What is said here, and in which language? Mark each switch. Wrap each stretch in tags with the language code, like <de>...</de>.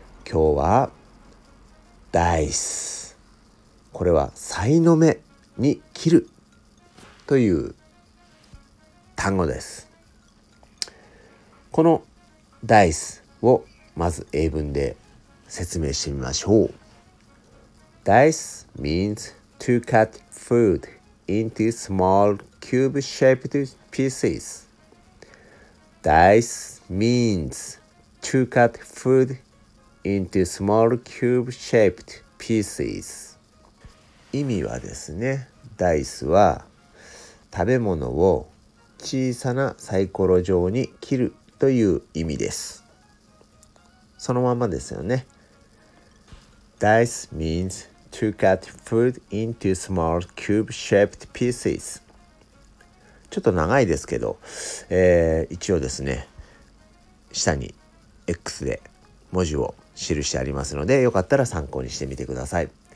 <ja>今日はダイス、これはさいの目に切るという単語です。このダイスをまず英文で説明してみましょう。</ja> <en>Dice means to cut food into small cube shaped pieces. Dice means to cut food into small cube shaped pieces.</en> <ja>意味はですね、ダイスは食べ物を小さなサイコロ状に切るという意味です。そのままですよね。</ja> <en>Dice means to cut food into small cube shaped pieces.</en> <ja>ちょっと長いですけど、一応ですね、下に X で文字を記してありますので、よかったら参考にしてみてください。</ja>